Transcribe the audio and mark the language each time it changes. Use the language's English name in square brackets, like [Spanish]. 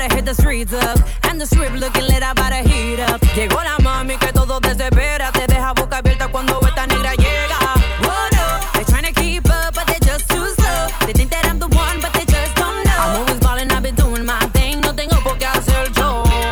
[English] And the strip looking lit about a heat up. [Spanish] Llegó la mami que todo desespera. Te deja boca abierta cuando esta negra llega. [English] Oh no, they're trying to keep up, but they're just too slow. They think that I'm the one, but they just don't know. I'm always ballin', I've been doing my thing. [Spanish] No tengo por qué hacer yo.